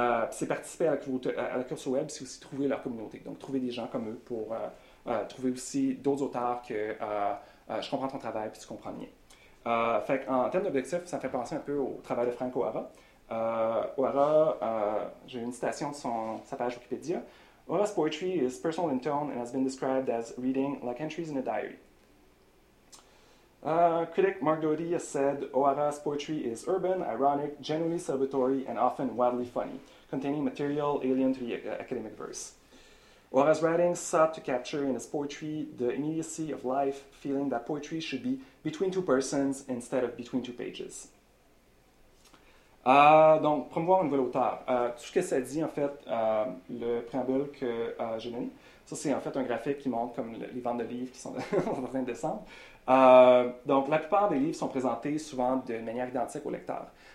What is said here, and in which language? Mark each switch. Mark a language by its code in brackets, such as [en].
[fr] C'est participer à la culture web, c'est aussi trouver leur communauté. Donc, trouver des gens comme eux pour trouver aussi d'autres auteurs que je comprends ton travail puis tu comprends bien. Fait qu'en termes d'objectifs, ça me fait penser un peu au travail de Frank O'Hara. O'Hara, j'ai une citation de sa page Wikipédia. [en] O'Hara's poetry is personal in tone and has been described as reading like entries in a diary. Critic Mark Doty has said, O'Hara's poetry is urban, ironic, genuinely celebratory, and often wildly funny, containing material alien to the academic verse. O'Hara's writing sought to capture in his poetry the immediacy of life, feeling that poetry should be between two persons instead of between two pages. [fr] Donc, promouvoir un nouvel auteur. Tout ce que ça dit, en fait, le préambule que j'ai mis, ça c'est en fait un graphique qui montre comme les ventes de livres qui sont en train de descendre. Donc, la plupart des livres sont présentés souvent de manière identique au lecteur.